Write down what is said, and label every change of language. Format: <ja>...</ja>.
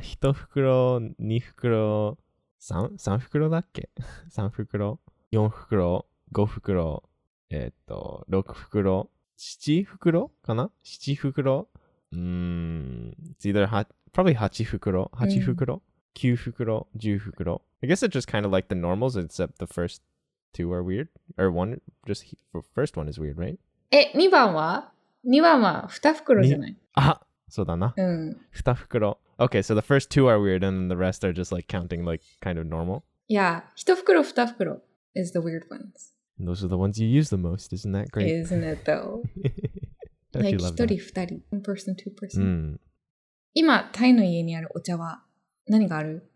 <en>一袋、二袋、三袋だっけ三袋、四袋、五袋、六袋、七袋かな七袋It's either probably 八袋、八袋、九袋、十袋。 I guess it's just kind of like the normals, except the first two are weird. Or one, just the first one is weird, right?</en> <ja>二番は二番は二袋じゃない。あ、そうだな。二袋。</ja> <en>Okay, so the first two are weird and the rest are just like counting like kind of normal? Yeah, 一袋、二袋 is the weird ones. And those are the ones you use the most, isn't that great? Isn't it though? like 一人、二人、 one person, two person.</en> <ja>今、タイの家にあるお茶は何がある?</ja>